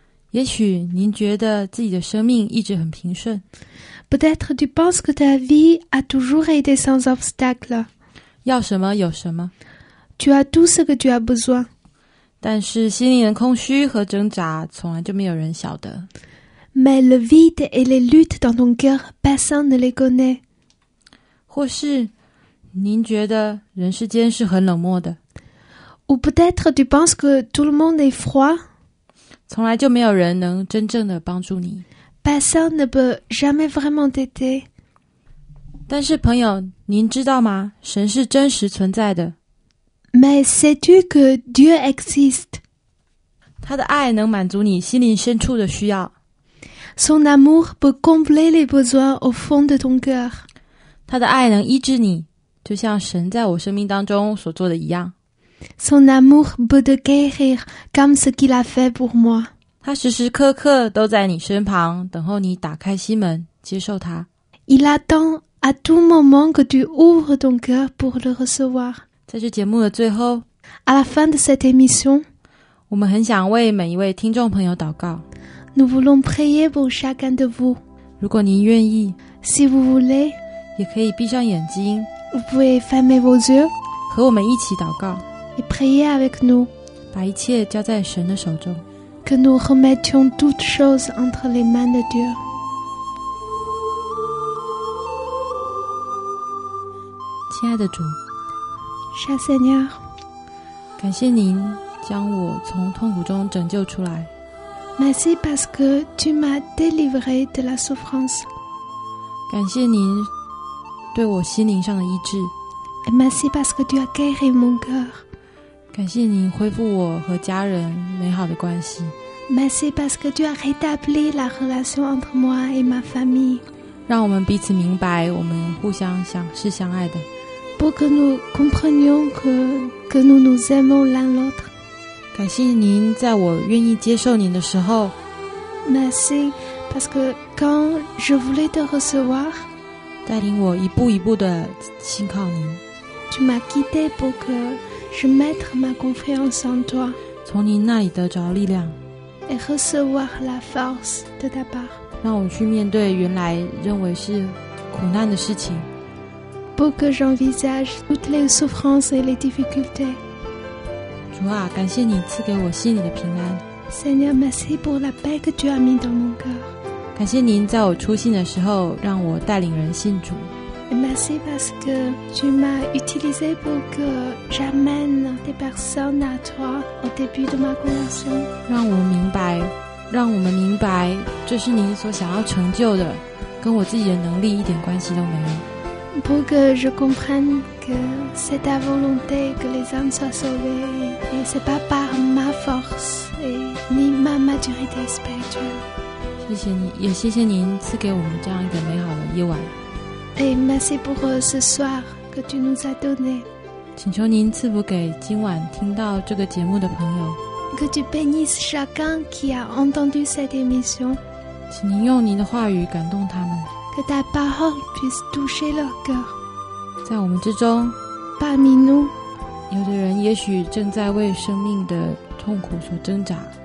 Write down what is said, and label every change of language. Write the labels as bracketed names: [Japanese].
[Chinese] 也许您觉得自己的生命一直很平顺。 [French] Peut-être tu penses que ta vie a toujours été sans obstacle. [Chinese] 要什么有什么。 [French] Tu as tout ce que tu as besoin. [Chinese] 但是心灵的空虚和挣扎，从来就没有人晓得。 [French] Mais le vide et les luttes dans ton cœur, personne ne les connaît. [Chinese] 或是您觉得人世间是很冷漠的。 [French] Ou peut-être tu penses que tout le monde est froid? [Chinese] 从来就没有人能真正的帮助你。 [French] Personne ne peut jamais vraiment t'aider. [Chinese] 但是朋友，您知道吗？神是真实存在的。 [French] Mais sais-tu que Dieu existe? [Chinese] 他的爱能满足你心灵深处的需要。 [French] Son amour peut combler les besoins au fond de ton cœur. [Chinese] 他的爱能医治你，就像神在我生命当中所做的一样。 [French] Son amour peut te guérir comme ce qu'il a fait pour moi. [Chinese] 他时时刻刻都在你身旁，等候你打开心门，接受他。 [French] Il attend à tout moment que tu ouvres ton cœur pour le recevoir. [Chinese] 在这节目的最后， [French] à la fin de cette émission, [Chinese] 我们很想为每一位听众朋友祷告。 [French] Nous voulons prier pour chacun de vous. [Chinese] 如果您愿意， [French] si vous voulez, [Chinese] 也可以闭上眼睛， [French] vous pouvez fermer vos yeux, [Chinese] 和我们一起祷告。 [French] Et prier avec nous. [Chinese] 把一切交在神的手中。 [French] Que nous remettions toutes choses entre les mains de Dieu. Cher Seigneur, [Chinese] 感谢您将我从痛苦中拯救出来。 [French] Merci parce que tu m'as délivré de la souffrance. [Chinese] 感谢您对我心灵上的医治。 [French] Et merci parce que tu as guéri mon cœur. [Chinese] 感谢您恢复我和家人美好的关系。 [French] Merci parce que tu as rétabli la relation entre moi et ma famille. [Chinese] 让我们彼此明白，我们互相想是相爱的。 [French] Pour que nous comprenions que nous nous aimons l'un l'autre. [Chinese] 感谢您在我愿意接受您的时候。 [French] Merci parce que quand je voulais te recevoir, [Chinese] 带领我一步一步的信靠您。 [French] Tu m'as quitté pour que je mette ma confiance en toi. [Chinese] 从您那里得着力量。 [French] Et recevoir la force de ta part. [Chinese] 让我去面对原来认为是苦难的事情。 [French] Pour que j'envisage toutes les souffrances et les difficultés. [Chinese] 主啊，感谢你赐给我心里的平安。 [French] Seigneur, merci pour la paix que tu as mis dans mon cœur. [Chinese] 感谢您在我初信的时候让我带领人信主。 [French] Merci parce que tu m'as utilisé pour que j'amène des personnes à toi au début de ma conversion. [Chinese] 让我明白，让我们明白，这是您所想要成就的，跟我自己的能力一点关系都没有。 [French] pour que je comprenne que c'est ta volonté que les âmes soient sauvées et c'est pas par ma force et ni ma maturité spirituelle. [Chinese] 谢谢你，也谢谢您赐给我们这样一个美好的夜晚。 [French] Et merci pour ce soir que tu nous as donné. [Chinese] 请求您赐福给今晚听到这个节目的朋友。 [French] Que tu bénisses chacun qui a entendu cette émission. [Chinese] 请您用您的话语感动他们。 [French] Que ta parole puisse toucher leur cœur. [Chinese] 在我们之中 [French] ，Parmi nous， [Chinese] 有的人也许正在为生命的痛苦所挣扎。